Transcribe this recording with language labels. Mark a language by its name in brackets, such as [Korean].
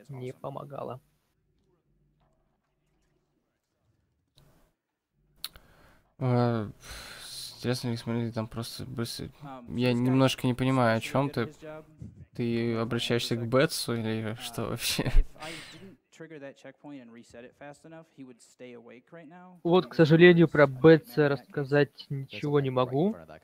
[Russian] Не помогало. Интересно, не смотрели там просто быстро. Я немножко не понимаю, о чём ты. Ты обращаешься к Бетсу или что вообще? [English] trigger that checkpoint and reset it fast enough, he would stay awake right now. [Russian] Вот, к сожалению, про Бетса рассказать ничего не могу.